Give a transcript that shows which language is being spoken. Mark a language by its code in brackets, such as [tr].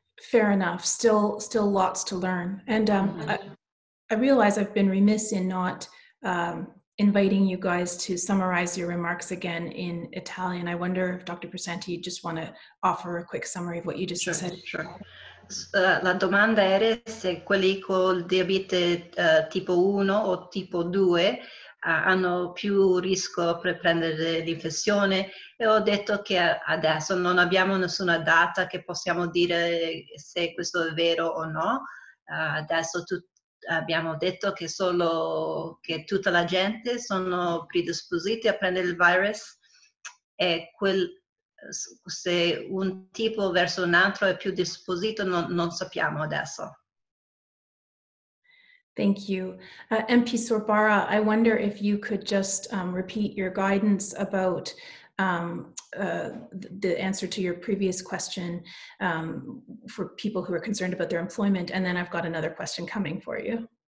[en] Fair enough. Still lots to learn. And I realize I've been remiss in not inviting you guys to summarize your remarks again in Italian. I wonder if Dr. Piersanti, you just want to offer a quick summary of what you just said. Sure. [it] La domanda era se quelli con diabete tipo 1 o tipo 2 hanno più rischio per prendere l'infezione, e ho detto che adesso non abbiamo nessuna data che possiamo dire se questo è vero o no. Adesso abbiamo detto che solo che tutta la gente sono predisposti a prendere il virus, e se un tipo verso un altro è più disposto non sappiamo adesso. [en] Thank you. MP Sorbara, I wonder if you could just repeat your guidance about the answer to your previous question for people who are concerned about their employment, and then I've got another question coming for you.